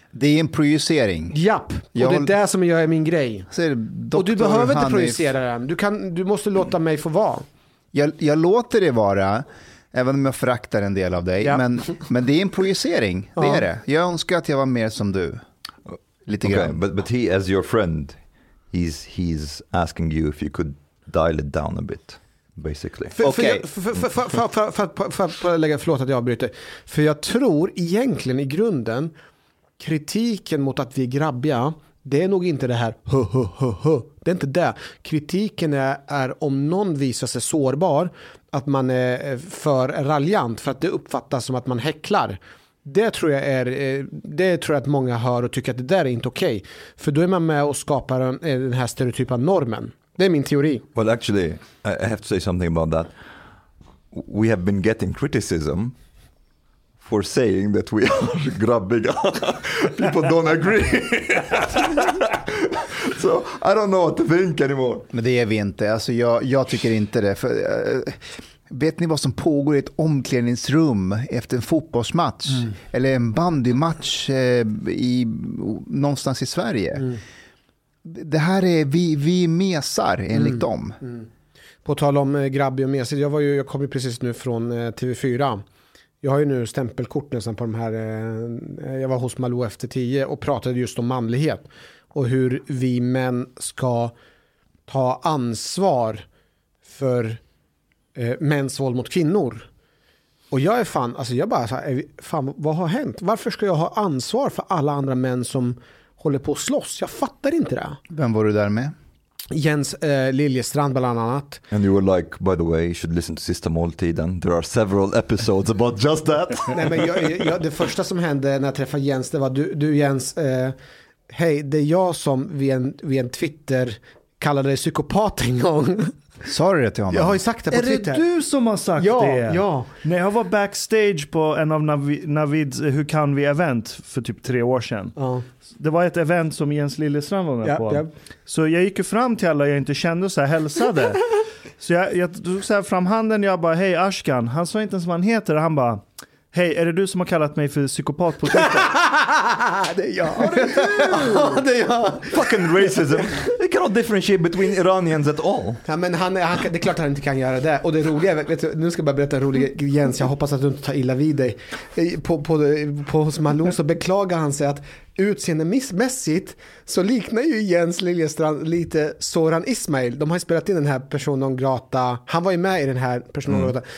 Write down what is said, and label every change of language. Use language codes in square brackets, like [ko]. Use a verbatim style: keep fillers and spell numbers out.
[sv] Det är en projicering. Japp, och jag det är det som jag är min grej. Ser, och du behöver inte projicera den. Du, kan, du måste låta mig få vara. Jag, jag låter det vara, även om jag föraktar en del av dig. Ja. Men, men det är en projicering, det är det. Jag önskar att jag var mer som du. Lite okay, grann. [en] But, but he, as your friend, he's, he's asking you if you could dial it down a bit. Basically. [sv] För, okay. för, för, för, för, för, för, för, för att lägga, förlåt att jag avbryter. För jag tror egentligen i grunden kritiken mot att vi är grabbiga, det är nog inte det här hö, hö, hö, hö. Det är inte det. Kritiken är, är om någon visar sig sårbar, att man är för raljant för att det uppfattas som att man häcklar. Det tror jag är, det tror jag att många hör och tycker att det där är inte okej. Okay. För då är man med och skapar den, den här stereotypa normen. Det är min teori. [en] Well, actually, I have to say something about that. We have been getting criticism for saying that we are grabbiga. People don't agree. So, I don't know what to think anymore. [sv] Men det är vi inte. Alltså, jag, jag tycker inte det. För, uh, vet ni vad som pågår i ett omklädningsrum efter en fotbollsmatch? Mm. Eller en bandymatch uh, i, någonstans i Sverige? Mm. Det här är vi, vi mesar enligt mm. dem. Mm. På tal om grabbig och mesigt. Jag, var ju, jag kom ju precis nu från T V fyra. Jag har ju nu stämpelkort nästan på de här. Jag var hos Malou efter tio och pratade just om manlighet. Och hur vi män ska ta ansvar för eh, mäns våld mot kvinnor. Och jag är fan, alltså jag bara så här, fan, vad har hänt? Varför ska jag ha ansvar för alla andra män som håller på att slåss? Jag fattar inte det. Vem var du där med? Jens eh, Liljestrand bland annat. [en] And you were like, by the way, you should listen to Sista måltiden. There are several episodes about just that. [sv] Nej, men jag, jag, det första som hände när jag träffade Jens, det var du, du Jens, eh, hej, det är jag som vid en, vid en Twitter kallade dig psykopat en gång. Sa du det till honom? Jag har ju sagt det på är Twitter. Är det du som har sagt ja, det? Ja. När jag var backstage på en av Navi, Navids Hur kan vi event för typ tre år sedan. Ja. Det var ett event som Jens Liljestrand var med ja, på. Ja. Så jag gick ju fram till alla jag inte kände så här hälsade. Så jag, jag tog så här fram handen och jag bara, hej Ashkan. Han sa inte ens vad han heter. Han bara, Hej, är det du som har kallat mig för psykopat på Twitter? Det är jag. Ja, det är du. Ja, det är jag. [en] Fucking racism. They cannot differentiate between Iranians at all. [sv] Ja, men han, han, det är klart att han inte kan göra det. Och det roliga, vet du, nu ska jag bara berätta en rolig Jens. Jag hoppas att du inte tar illa vid dig. På, på, på, hos Malou så beklagar han sig att utseendemässigt så liknar ju Jens Liljestrand lite Soran Ismail. De har ju spelat in den här Persona non grata. Han var ju med i den här Persona non grata. Mm.